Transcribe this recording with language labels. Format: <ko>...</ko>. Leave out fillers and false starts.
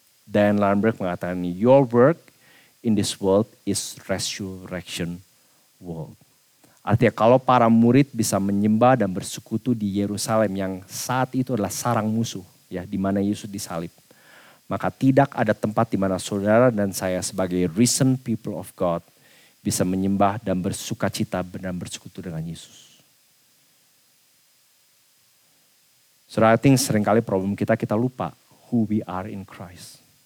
<id>Dan Lambert mengatakan,</id> <en>your work in this world is resurrection world.</en> <id>Artinya kalau para murid bisa menyembah dan bersekutu di Yerusalem yang saat itu adalah sarang musuh, ya, di mana Yesus disalib, maka tidak ada tempat di mana saudara dan saya sebagai</id> <en>risen people of God</en> <id>bisa menyembah dan bersukacita dan bersekutu dengan Yesus. Saudara,</id> <en>I think</en> <id>seringkali problem kita lupa</id> <en>who we are in Christ.</en>